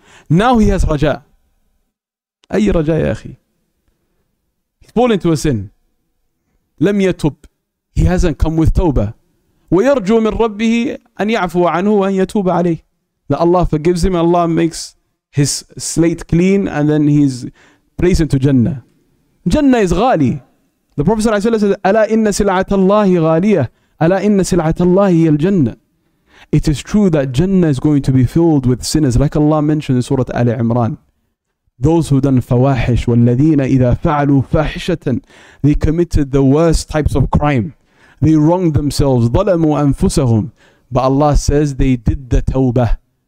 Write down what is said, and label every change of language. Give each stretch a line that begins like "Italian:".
English: Now he has raja.
Arabic: Ayy raja ya akhi.
English: He's fallen into a sin.
Arabic: Lam yatub.
English: He hasn't come with tawbah.
Arabic: وَيَرْجُوا مِنْ رَبِّهِ أَنْ يَعْفُوَ عَنْهُ وَأَنْ يَتُوبَ عَلَيْهِ.
English: That Allah forgives him, Allah makes his slate clean, and then he's placed into Jannah. Jannah is ghali. The Prophet ﷺ said,
Arabic: أَلَا إِنَّ سِلْعَةَ اللَّهِ غَالِيَةَ أَلَا إِنَّ سِلْعَةَ اللَّهِ هِيَ الْجَنَّةِ.
English: It is true that Jannah is going to be filled with sinners, like Allah mentioned in Surah Ali Imran. Those who done fawahish,
Arabic: وَالَّذِينَ إِذَا فَعَلُوا فَاحِشَةً,
English: they committed the worst types of crime. They wronged themselves,
Arabic: ظَلَمُوا أَنفُسَهُمْ.
English: But Allah says they did the tawbah.